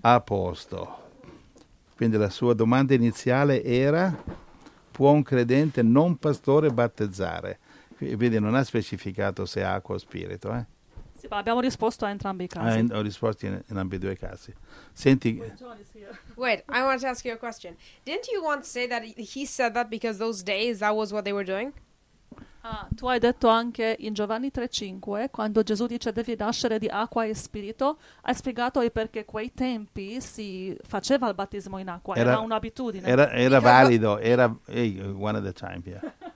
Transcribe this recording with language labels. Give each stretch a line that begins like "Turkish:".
Italian: A posto. Quindi la sua domanda iniziale era: può un credente non pastore battezzare? Quindi non ha specificato se acqua o spirito, eh? Sì, ma abbiamo risposto a entrambi i casi. Ho risposto in ambedue i casi. Senti.
English: Wait, I want to ask you a question. Didn't you once say that he said that because those days that was what they were doing?
Italian: Tu hai detto anche in Giovanni 3:5, quando Gesù dice devi nascere di acqua e spirito, hai spiegato perché quei tempi si faceva il battesimo in acqua, era un'abitudine. Era valido, era
English: one at a time, yeah.